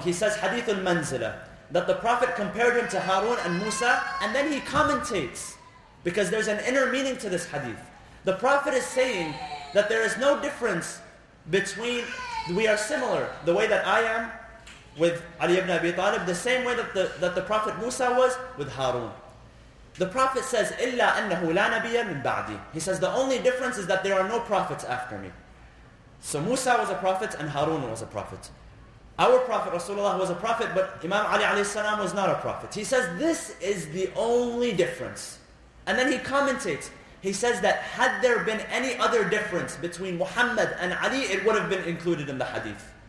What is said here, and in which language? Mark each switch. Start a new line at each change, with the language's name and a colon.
English: He says, Hadith al-Manzila, that the Prophet compared him to Harun and Musa, and then he commentates, because there's an inner meaning to this hadith. The Prophet is saying that there is no difference between, we are similar, the way that I am with Ali ibn Abi Talib, the same way that the Prophet Musa was with Harun. The Prophet says,
Arabic: إِلَّا أَنَّهُ لَا نَبِيَّ مِنْ بَعْدِي.
English: He says, the only difference is that there are no prophets after me. So Musa was a prophet and Harun was a prophet. Our Prophet Rasulullah was a prophet, but Imam Ali alayhi salam was not a prophet. He says, this is the only difference. And then he commentates, he says that had there been any other difference between Muhammad and Ali, it would have been included in the hadith.